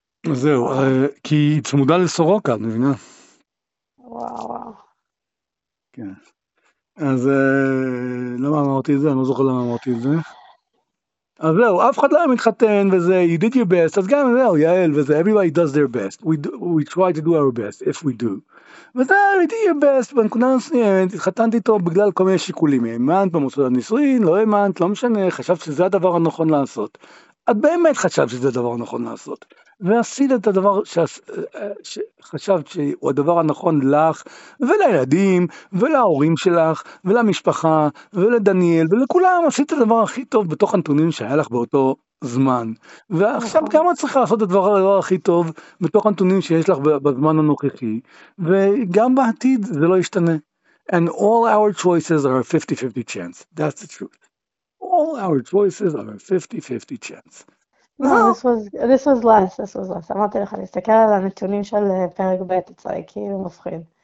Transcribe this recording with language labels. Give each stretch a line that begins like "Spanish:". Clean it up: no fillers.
Hebrew: אז זהו, כי היא צמודה לסורוקה, את מבינה? וואו. כן. אז למה אמרתי את זה? אני לא זוכר למה אמרתי את זה. אז זהו, אף אחד לא היה מתחתן וזה,
English: you did your best,
Hebrew: אז גם זהו, יעל וזה,
English: everybody does their best. We try to do our best, if we do.
Hebrew: וזה,
English: you did your best,
Hebrew: בנקודה מסוימת, התחתנתי טוב בגלל כל מיני שיקולים. האמנת במוסד הנישואין, לא האמנת, לא משנה, חשבת שזה הדבר הנכון לעשות. את באמת חשבת שזה הדבר הנכון לעשות. ועשית את הדבר שחשבת שהוא הדבר הנכון לך ולילדים ולהורים שלך ולמשפחה ולדניאל ולכולם, עשית את הדבר הכי טוב בתוך הנתונים שהיה לך באותו זמן. ועכשיו גם את צריכה לעשות את הדבר הכי טוב בתוך הנתונים שיש לך בזמן הנוכחי, וגם בעתיד זה לא ישתנה.
English: And all our choices are a 50-50 chance. That's the truth. All our choices are a 50-50 chance. No, this was less.
Hebrew: אמרתי לך, להסתכל על הנתונים של פרק ב', צריך, כאילו מפחיד.